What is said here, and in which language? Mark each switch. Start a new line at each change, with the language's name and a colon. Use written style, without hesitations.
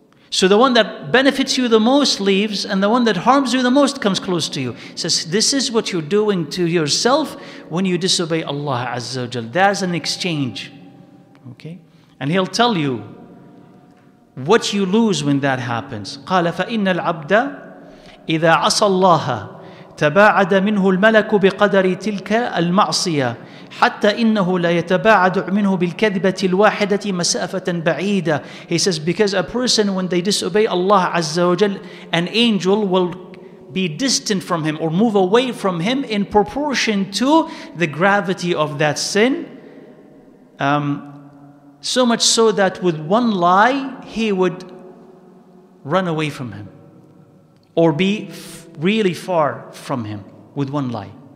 English: So the one that benefits you the most leaves, and the one that harms you the most comes close to you. He says, this is what you're doing to yourself when you disobey Allah Azza wa Jal. There's an exchange. Okay? And he'll tell you what you lose when that happens.
Arabic: قَالَ فَإِنَّ الْعَبْدَ إِذَا عَصَى اللَّهَ تَبَاعَدَ مِنْهُ الْمَلَكُ بِقَدَرِ تِلْكَ الْمَعْصِيَةِ حتى إنه لا يتباعد منه بالكذبة الواحدة مسافة بعيدة.
English: He says, because a person, when they disobey Allah Azza wa Jal, an angel will be distant from him or move away from him in proportion to the gravity of that sin. So much so that with one lie, he would run away from him or be really far from him with one lie.